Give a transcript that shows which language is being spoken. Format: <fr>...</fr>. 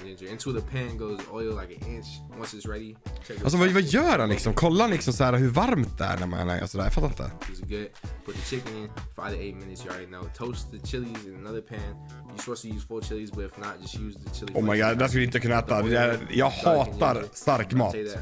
<en>Into the pan goes oil like an inch once it's ready.</en> <sv>Alltså vad gör han liksom? Kolla liksom så här hur varmt det är när man lägger så där. Jag fattar inte.</sv> <en>It's good. Put the chicken in 5 to 8 minutes. You already know. Toast the chilies in another pan. You're supposed to use 4 chilies, but if not, just use the chili. Oh my god, that's</en> <sv>inte kunna äta. Jag hatar stark mat.</sv>